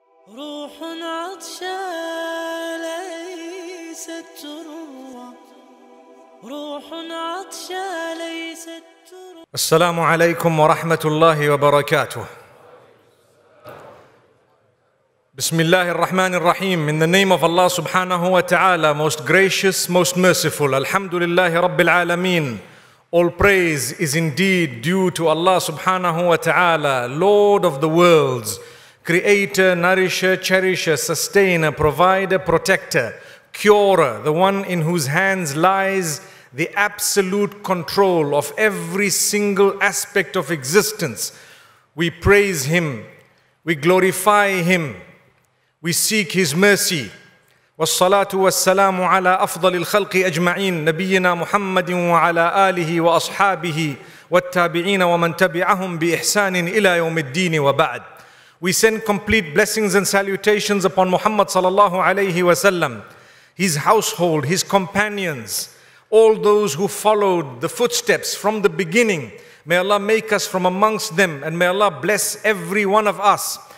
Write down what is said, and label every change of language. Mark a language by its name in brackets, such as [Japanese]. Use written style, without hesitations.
[Arabic] روح عطشة ليست تروى، روح عطشة ليست تروى. السلام عليكم ورحمة الله وبركاته. بسم الله الرحمن الرحيم. [English] In the name of Allah [Arabic] سبحانه وتعالى, [English] most gracious, most merciful. [Arabic] الحمد لله رب العالمين. [English] All praise is indeed due to Allah [Arabic] subhanahu wa ta'ala, [English] Lord of the worlds, creator, nourisher, cherisher, sustainer, provider, protector, curer, the one in whose hands lies the absolute control of every single aspect of existence. We praise him, we glorify him, we seek his mercy. [Arabic] والصلاة والسلام على أفضل الخلق أجمعين نبينا محمد وعلى آله وأصحابه والتابعين ومن تبعهم بإحسان إلى يوم الدين وبعد. [English] We send complete blessings and salutations upon Muhammad [Arabic] sallallahu alayhi wa sallam, [English] his household, his companions, all those who followed the footsteps from the beginning. May Allah make us from amongst them, and may Allah bless every one of us.